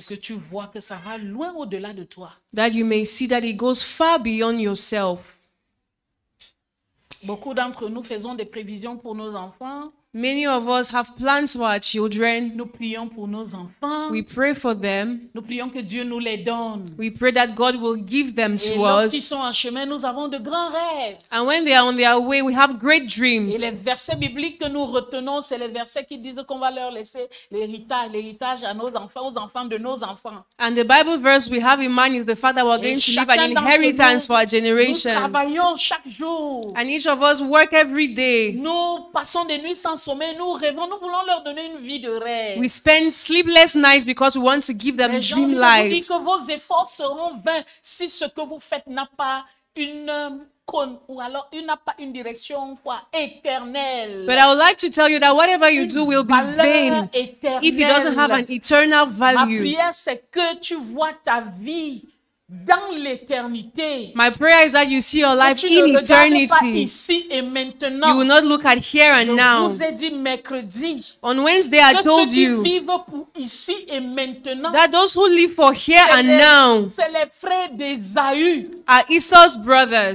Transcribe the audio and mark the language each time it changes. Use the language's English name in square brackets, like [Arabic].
[French] Pour que tu vois que ça va loin au-delà de toi. [English] That you may see that it goes far beyond yourself. [French] Beaucoup d'entre nous faisons des prévisions pour nos enfants. [English] Many of us have plans for our children. [French] Nous prions pour nos enfants. [English] We pray for them. [French] Nous prions que Dieu nous les donne. [English] We pray that God will give them [French] et [English] to us. [French] Et lorsqu'ils sont en chemin, nous avons de grands rêves. [English] And when they are on their way, we have great dreams. [French] Et les versets bibliques que nous retenons, c'est les versets qui disent qu'on va leur laisser l'héritage à nos enfants, aux enfants de nos enfants. [English] And the Bible verse we have in mind is the fact that we're going [French] et [English] to leave an inheritance [French] nous, [English] for our generation. [French] Nous travaillons chaque jour. [English] And each of us work every day. [French] Nous passons des nuits sans sommeil, nous rêvons, nous voulons leur donner une vie de rêve. [English] We spend sleepless nights because we want to give them dream lives. [French] Mais je vous dis que vos efforts seront vains si ce que vous faites n'a pas une cône ou alors il n'a pas une direction quoi éternelle. [English] But I would like to tell you that whatever you do will be vain if it doesn't have an eternal value. [French] Ma prière c'est que tu vois ta vie dans l'éternité. [English] My prayer is that you see your life in eternity. [French] Pas ici et maintenant. [English] You will not look at here and [French] je [English] now. [French] Vous ai dit mercredi, [English] on Wednesday, I told you [French] pour ici et maintenant, [English] that those who live for here and now [French] c'est les frères d'Esaü, [English] are Esau's brothers.